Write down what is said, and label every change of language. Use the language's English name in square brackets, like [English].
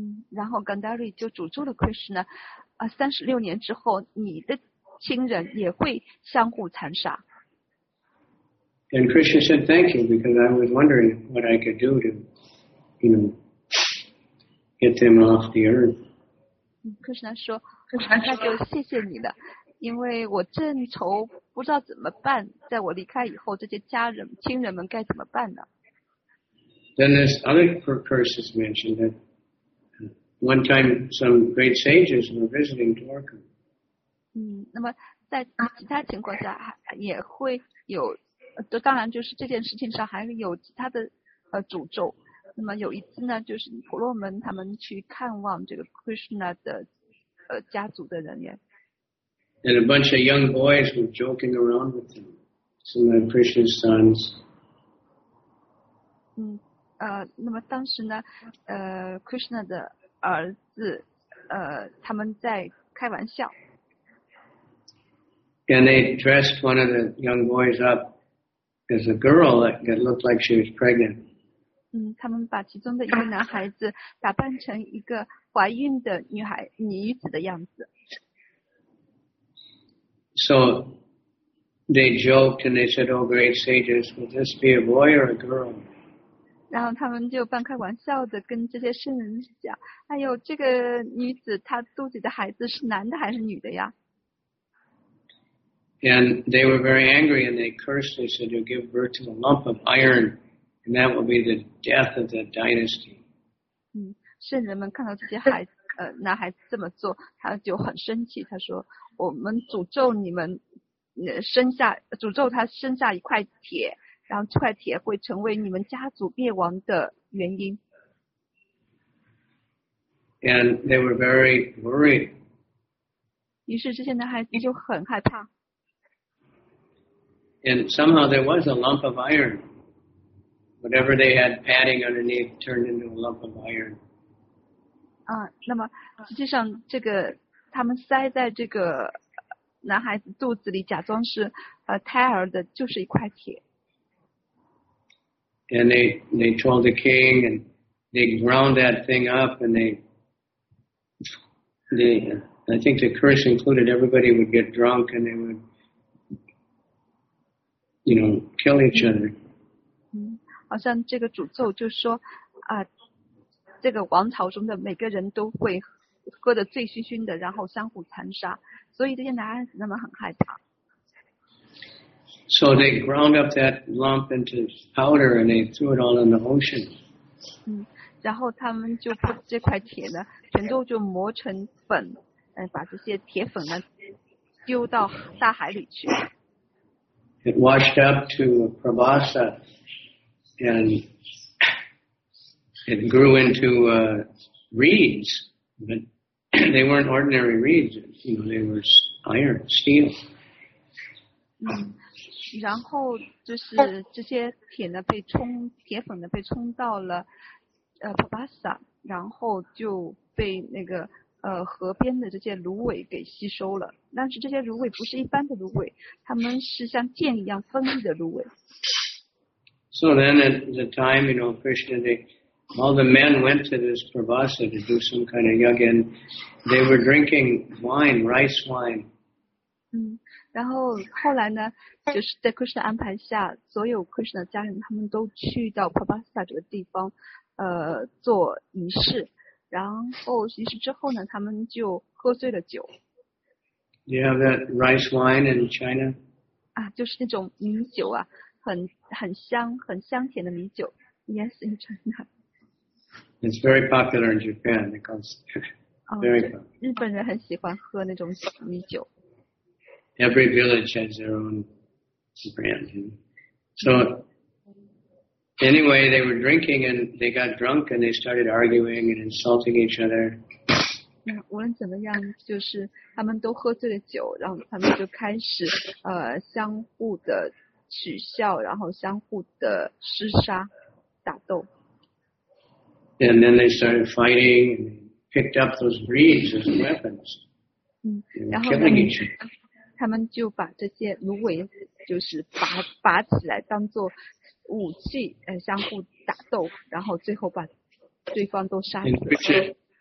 [Chinese] 然后 Gandhari 就诅咒了 Krishna, 36年之后你的亲人也会相互残杀。 [English] And Krishna said, thank you, because I was wondering what I could do to... get them off the earth. [Chinese] Krishna 说，那就谢谢你了，因为我正愁不知道怎么办，在我离开以后，这些家人亲人们该怎么办呢？ [English] Then this other curse is mentioned that one time some great sages were visiting Dwarka. [Chinese] 那么在其他情况下也会有，当然就是这件事情上还有其他的诅咒。那么有一次呢，就是婆罗门他们去看望这个 Krishna 的家族的人员。 [English] And a bunch of young boys were joking around with them, some of Krishna's sons. [Chinese] 那么当时呢，Krishna 的儿子他们在开玩笑。 [English] And they dressed one of the young boys up as a girl that looked like she was pregnant. [Chinese] 他们把其中的一个男孩子打扮成一个怀孕的女子的样子。 [English] So they joked and they said, "Oh, great sages, will this be a boy or a girl?" [Chinese] 然后他们就半开玩笑的跟这些圣人讲：“哎呦，这个女子她肚子的孩子是男的还是女的呀？” [English] And they were very angry and they cursed. They said, you'll give birth to a lump of iron and that will be the death of the dynasty. [Chinese] 圣人们看到这些孩子男孩子这么做他就很生气他说我们诅咒你们生下诅咒他生下一块铁然后这块铁会成为你们家族灭亡的原因。 [English] And they were very worried. [Chinese] 于是这些男孩子就很害怕。 [English] And somehow there was a lump of iron. Whatever they had padding underneath turned into a lump of iron. [Chinese] 啊，那么实际上这个他们塞在这个男孩子肚子里假装是胎儿的就是一块铁。 [English] And they told the king and they ground that thing up and I think the curse included everybody would get drunk and they would, you know, kill each other. [Chinese] 好像这个诅咒就说啊，这个王朝中的每个人都会喝得醉醺醺的，然后相互残杀，所以这些男孩子那么很害怕。 [English] So they ground up that lump into powder and they threw it all in the ocean. [Chinese] 然后他们就把这块铁呢，全都就磨成粉，把这些铁粉呢丢到大海里去。 [English] It washed up to Prabhasa and it grew into reeds, but they weren't ordinary reeds, you know, they were iron, steel. [Chinese] 然后就是这些铁呢被冲铁粉呢被冲到了Prabhasa, 然后就被那个河边的这些芦苇给吸收了。但是这些芦苇不是一般的芦苇，它们是像剑一样锋利的芦苇。 [English] So then at the time, you know, Krishna, all the men went to this Prabhasa to do some kind of yoga, and they were drinking wine, rice wine. [Chinese] 然后后来呢，就是在 Krishna 安排下，所有 Krishna 的家人他们都去到 Prabhasa 这个地方，做仪式。然后仪式之后呢，他们就喝醉了酒。 [English] Do you have that rice wine in China? [Chinese] 啊，就是那种米酒啊，很香，很香甜的米酒。 [English] Yes, in China. It's very popular in Japan. It goes very popular. [Chinese] 日本人很喜欢喝那种米酒。 [English] Every village has their own brand. So anyway, they were drinking and they got drunk and they started arguing and insulting each other. [Chinese] 无论怎么样，就是他们都喝醉了酒，然后他们就开始相互的取笑，然后相互的厮杀、打斗。 [English] And then they started fighting and picked up those reeds as weapons. And killing each other. [Chinese] 他们就把这些芦苇就是拔起来当做武器相互打斗然后最后把对方都杀死了。